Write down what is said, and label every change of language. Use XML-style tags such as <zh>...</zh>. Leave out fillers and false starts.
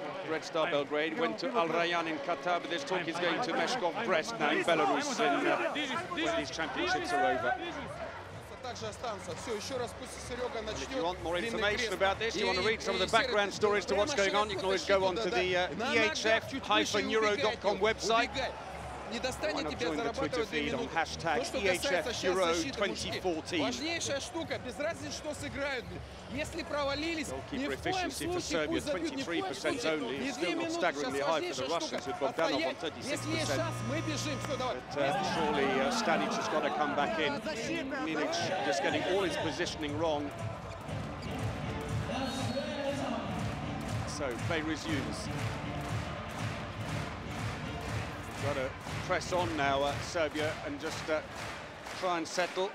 <en>Red Star Belgrade, went to Al Rayyan in Qatar, but this talk is going to Meshkov Brest now in Belarus, in, when these championships are over. And if you want more information about this, you want to read some of the background stories to what's going on, you can always go on to the EHF-Euro.com website.</en> <ru>Не достанет тебе зарабатывать две минуты. То, что касается сейчас защиты, мужики, важнейшая штука, без разницы, что сыграют. Если провалились, ни в коем случае пусть забьют, ни в коем случае. Не две минуты, сейчас важнейшая штука. Отстоять, если есть шанс, мы бежим. Все, давай.</ru> <en>But surely Stanic has got to come back in. Milic just getting all his positioning wrong. So, play resumes. Got to press on now, Serbia, and just try and settle.</en>